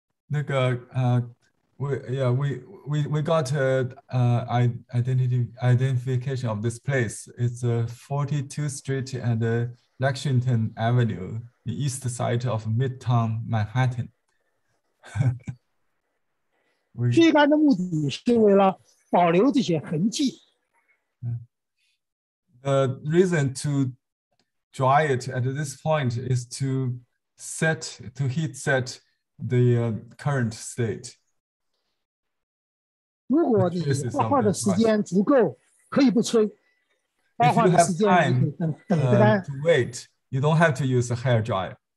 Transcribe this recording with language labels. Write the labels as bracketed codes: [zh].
[en] We got a identification of this place. It's 42th Street and Lexington Avenue, the east side of Midtown Manhattan. [zh] 最大的目的是为了保留这些痕迹。 [en] The reason to dry it at this point is to heat set the current state. [zh] 如果你画画的时间足够，可以不吹，画画的时间等等待。 [en] To wait, you don't have to use a hair dryer.